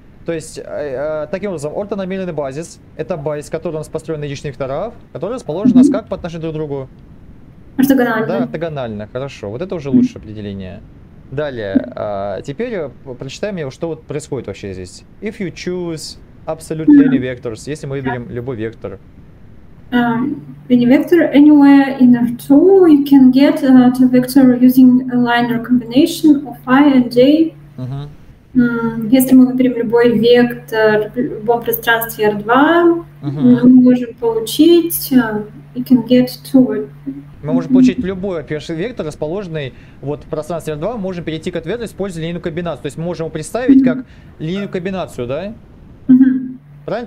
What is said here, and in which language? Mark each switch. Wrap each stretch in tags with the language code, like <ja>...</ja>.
<ru>То есть, таким образом, ортонормированный базис – это базис, который у нас построен на единичных векторах, который расположен у нас как по отношению друг к другу? Да, ортогонально. ортогонально, хорошо. Вот это уже лучшее определение. Далее, теперь прочитаем, что вот происходит вообще здесь.</ru> <en>If you choose absolutely any vectors,</en> <ru>если мы выберем любой вектор.</ru> <en>Any vector anywhere in R2, you can get to vector using a linear combination of I and J.</en> <ru>Если мы выберем любой вектор в любом пространстве R2, мы можем получить</ru> <en>you can get to it.</en> <ru>Мы можем получить любой первый вектор, расположенный вот в пространстве R2, мы можем перейти к ответу, используя линейную комбинацию. То есть мы можем его представить как линейную комбинацию, да? Правильно?</ru>